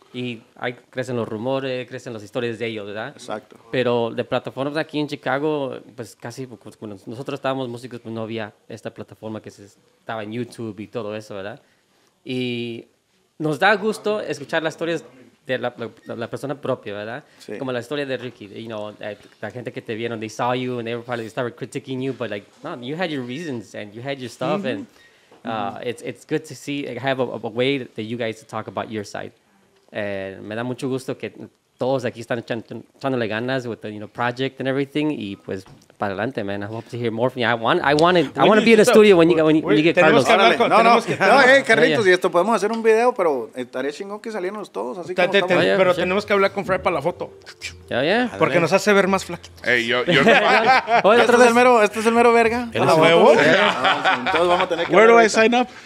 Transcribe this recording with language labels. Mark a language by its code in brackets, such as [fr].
[es] Y ahí crecen los rumores, crecen las historias de ellos, ¿verdad? Exacto. Pero de plataformas aquí en Chicago, pues casi, bueno, nosotros estábamos músicos, pues no había esta plataforma que estaba en YouTube y todo eso, ¿verdad? Y nos da gusto escuchar las historias de la persona propia, ¿verdad? Sí. Como la historia de Ricky, [en] you know, [es] la gente que te vieron, [en] they saw you and they started critiquing you, but like, no, you had your reasons and you had your stuff, mm-hmm, and it's good to see, have a way that you guys talk about your side. [es] Me da mucho gusto que todos aquí están echándole ganas [en] with the, you know, project and everything. [es] Y pues, para adelante, [en] man. I hope to hear more from you. I want to be in a studio when you get Carlos. [es] Carlitos, y esto podemos hacer un video, pero estaría chingón que saliéramos todos. Así como estamos. Pero tenemos que hablar con Fred para la foto. Ya, ya. Porque nos hace ver más flaquitos. Hey, yo. Este es el mero verga. ¿El nuevo? Entonces vamos a tener que... [en] Where do I sign up?